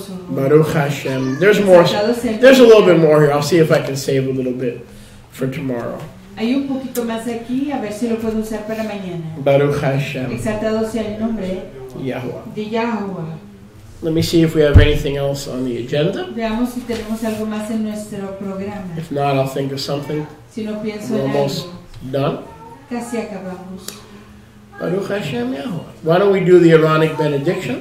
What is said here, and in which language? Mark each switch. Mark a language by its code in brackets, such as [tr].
[en] Baruch Hashem. There's more. There's a little bit more here. I'll see if I can save a little bit for tomorrow. [es] Hay un poquito más aquí, a ver si lo puedo usar para mañana. [he] Baruch Hashem. [es] Exaltado sea el nombre [en] Yahuwah. [es] De Yahuwah. [en] Let me see if we have anything else on the agenda. [es] Veamos si tenemos algo más en nuestro programa. [en] If not, I'll think of something. [es] Si no pienso [en] we're [es] en [en] almost [es] algo. [en] Done. [es] Casi acabamos. [he] Baruch Hashem Yahuwah. [en] Why don't we do the Aaronic benediction?